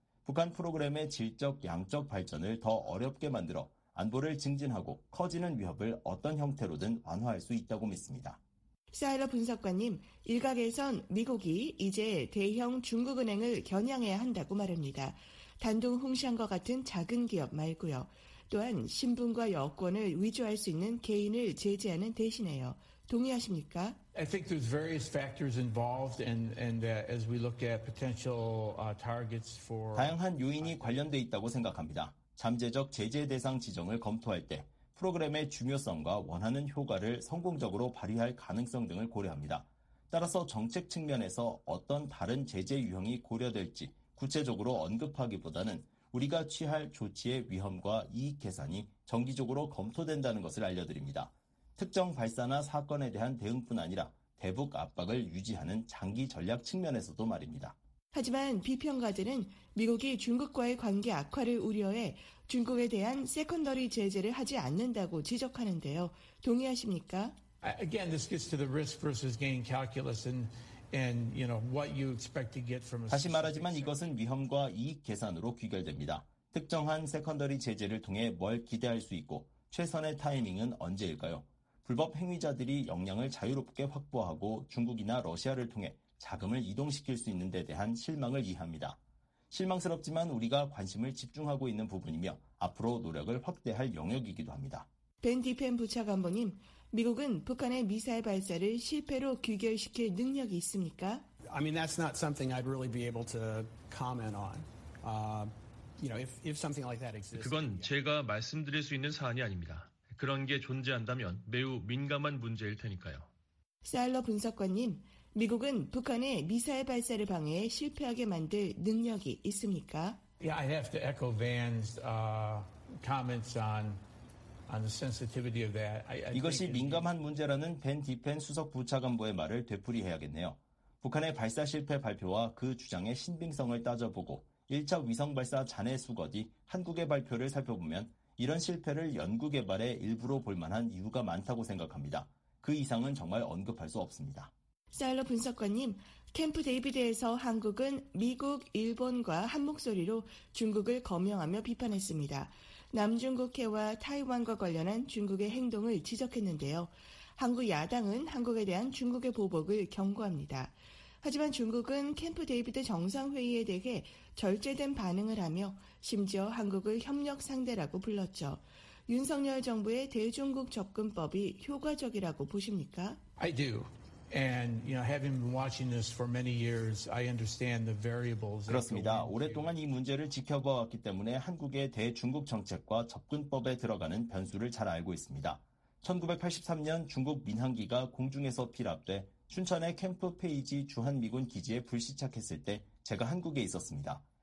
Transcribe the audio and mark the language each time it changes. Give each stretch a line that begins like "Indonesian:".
Korean: 북한 프로그램의 질적, 양적 발전을 더 어렵게 만들어 안보를 증진하고 커지는 위협을 어떤 형태로든 완화할 수 있다고 믿습니다. 사이러 분석관님, 일각에선 미국이 이제 대형 중국은행을 겨냥해야 한다고 말합니다. 단둥 홍시안과 같은 작은 기업 말고요. 또한 신분과 여권을 위조할 수 있는 개인을 제재하는 대신에요. 동의하십니까?
English: I think there's various factors involved and as we look at potential targets for
Korean: 다양한 요인이 관련돼 있다고 생각합니다. 잠재적 제재 대상 지정을 검토할 때 프로그램의 중요성과 원하는 효과를 성공적으로 발휘할 가능성 등을 고려합니다. 따라서 정책 측면에서 어떤 다른 제재 유형이 고려될지 구체적으로 언급하기보다는 우리가 취할 조치의 위험과 이익 계산이 정기적으로 검토된다는 것을 알려드립니다. 특정 발사나 사건에 대한 대응뿐 아니라 대북 압박을 유지하는 장기 전략 측면에서도 말입니다. 하지만 비평가들은 미국이 중국과의 관계 악화를 우려해 중국에 대한 세컨더리 제재를 하지 않는다고 지적하는데요. 동의하십니까?
English: Again, this gets to the risk versus gain calculus and you know what you expect to get from a
Korean: 다시 말하지만 이것은 위험과 이익 계산으로 귀결됩니다. 특정한 세컨더리 제재를 통해 뭘 기대할 수 있고 최선의 타이밍은 언제일까요? 불법 행위자들이 역량을 자유롭게 확보하고 중국이나 러시아를 통해 자금을 이동시킬 수 있는 데 대한 실망을 이해합니다. 실망스럽지만 우리가 관심을 집중하고 있는 부분이며 앞으로 노력을 확대할 영역이기도 합니다. 벤 디펜 부차관보님, 미국은 북한의 미사일 발사를 실패로 귀결시킬 능력이 있습니까?
English: I mean, that's not something I'd really be able to comment on. You know, if something like that exists.
Korean: 그건 제가 말씀드릴 수 있는 사안이 아닙니다. 그런 게 존재한다면 매우 민감한 문제일 테니까요. 사일러 분석관님, 미국은 북한의 미사일 발사를 방해해 실패하게 만들 능력이 있습니까?
English: Yeah, I have to echo Van's comments on the sensitivity of that.
Korean: 이것이 민감한 문제라는 벤 디펜 수석 부차관보의 말을 되풀이해야겠네요. 북한의 발사 실패 발표와 그 주장의 신빙성을 따져보고 1차 위성 발사 잔해 수거 뒤 한국의 발표를 살펴보면 이런 실패를 연구 개발의 일부로 볼 만한 이유가 많다고 생각합니다. 그 이상은 정말 언급할 수 없습니다. 사일러 분석관님, 캠프 데이비드에서 한국은 미국, 일본과 한 목소리로 중국을 거명하며 비판했습니다. 남중국해와 타이완과 관련한 중국의 행동을 지적했는데요. 한국 야당은 한국에 대한 중국의 보복을 경고합니다. 하지만 중국은 캠프 데이비드 정상회의에 대해 절제된 반응을 하며 심지어 한국을 협력 상대라고 불렀죠. 윤석열 정부의 대중국 접근법이 효과적이라고 보십니까?
English: I do. And you know, having been watching this for many years, I understand the variables.
Korean: 그렇습니다. 오랫동안 이 문제를 지켜보았기 때문에 한국의 대중국 정책과 접근법에 들어가는 변수를 잘 알고 있습니다. 1983년 중국 민항기가 공중에서 피랍돼 춘천의 캠프 페이지 주한미군 기지에 불시착했을 때 제가 한국에 있었습니다.